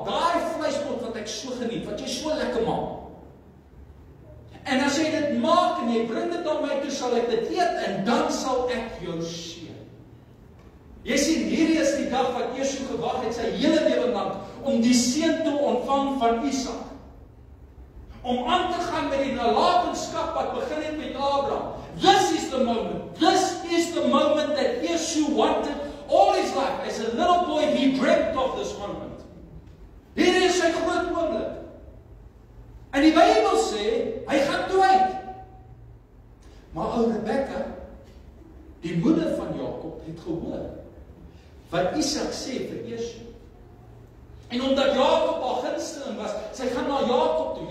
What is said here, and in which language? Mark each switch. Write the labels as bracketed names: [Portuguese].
[Afrikaans] Daai vleispot wat ek so geniet, wat jy so lekker maak." En as jy dit maak en jy bring dit aan my toe, sal ek dit eet en dan sal ek jou seën. Jy sien, hierdie is die dag wat Jesu gewag het sy hele lewe lank om die seën te ontvang van Isak. Om aan te gaan met die nalatenskap wat begin het met Abraham. [English] This is the moment. This is the moment that Jesu wanted all his life. As a little boy, he dreamt of this moment. [Afrikaans] Hier is sy groot oomblik. En die Bybel sê, hy gaan toe uit. Maar ou Rebekka, die moeder van Jakob, het gehoor wat Isak sê vir Esau. En omdat Jakob al gunsteling was, sy gaan na Jakob toe.